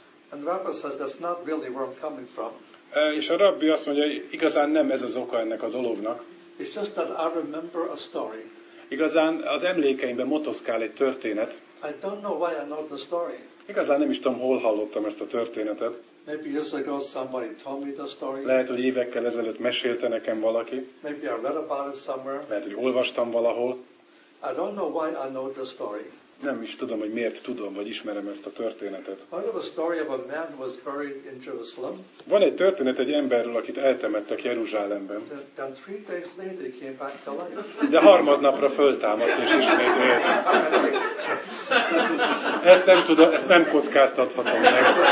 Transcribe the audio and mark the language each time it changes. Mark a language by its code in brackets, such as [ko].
[en] And the rabbi says, that's not really where I'm coming from. [hu] És a rabbi azt mondja, hogy igazán nem ez az oka ennek a dolognak. [en] It's just that I remember a story. [hu] Igazán az emlékeimben motoszkál egy történet. [en] I don't know why I know the story. [hu] Igazán nem is tudom, hol hallottam ezt a történetet. [en] Maybe years ago somebody told me the story. [hu] Lehet, hogy évekkel ezelőtt mesélte nekem valaki. [en] Maybe I read about it somewhere. [hu] Lehet, hogy olvastam valahol. [en] I don't know why I know the story. [hu] Nem is tudom, hogy miért tudom, vagy ismerem ezt a történetet. [en] I know the story of a man who was buried in Jerusalem. [hu] Van egy történet egy emberről, akit eltemettek Jeruzsálemben. [en] Then 3 days later he came back to life. [hu] De harmadnapra föltámadt és ismét élt. Ezt nem tudom, ezt nem kockáztathatom meg.